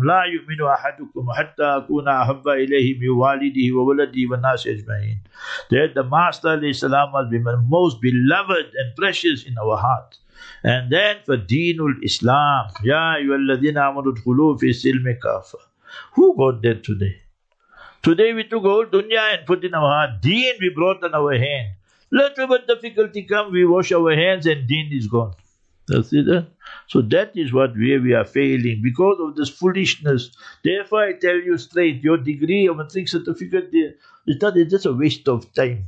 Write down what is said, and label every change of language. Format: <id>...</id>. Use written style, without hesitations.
<ar>لا يؤمن أحدكم حتى أكون أحب إليه من والده وولده والناس أجمعين.</ar> <en>That the Master alayhi salam must be the most beloved and precious in our heart. And then for Deenul Islam.</en> <ar>يا أيها الذين آمنوا ادخلوا في السلم كافة.</ar> <en>Who got that today? Today we took all dunya and put in our heart. Deen we brought in our hand. Little bit difficulty come, we wash our hands and deen is gone. That's it. So that is what we are failing because of this foolishness. Therefore I tell you straight, your degree or matric certificate, it's just a waste of time.</en>